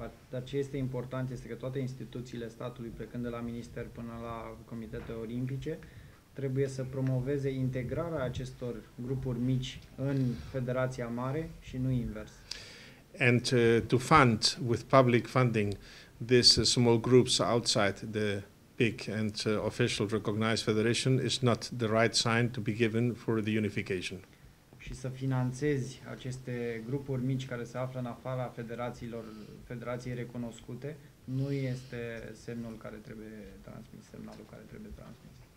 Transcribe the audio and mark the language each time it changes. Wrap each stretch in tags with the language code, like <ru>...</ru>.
<ro>Dar ce este important este că toate instituțiile statului, plecând de la minister până la comitete olimpice, trebuie să promoveze integrarea acestor grupuri mici în federația mare și nu invers.</ro> <en>And to fund with public funding these small groups outside the big and official recognized federation is not the right sign to be given for the unification.</en> <ro>Și să finanțezi aceste grupuri mici care se află în afara federațiilor, federației recunoscute, nu este semnul care trebuie transmis, semnalul care trebuie transmis.</ro>